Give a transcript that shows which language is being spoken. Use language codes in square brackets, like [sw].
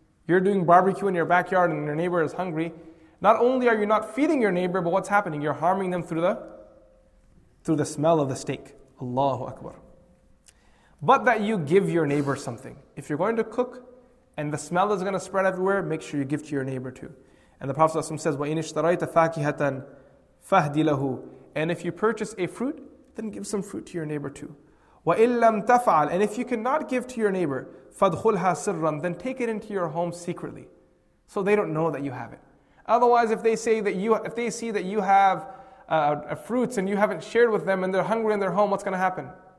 [en] You're doing barbecue in your backyard and your neighbor is hungry. Not only are you not feeding your neighbor, but what's happening? You're harming them through the smell of the steak. Allahu Akbar. But that you give your neighbor something. If you're going to cook and the smell is going to spread everywhere, make sure you give to your neighbor too. And the Prophet ﷺ says, [ar] وَإِنِ اشْتَرَيْتَ فَاكِهَةً فَهْدِ لَهُ. [en] And if you purchase a fruit, then give some fruit to your neighbor too. [ar] وَإِن لَمْ تَفْعَلْ. [en] And if you cannot give to your neighbor, [ar] فَادْخُلْهَا سِرًّا. [en] Then take it into your home secretly, so they don't know that you have it. Otherwise, if they see that you have fruits and you haven't shared with them and they're hungry in their home, what's going to happen?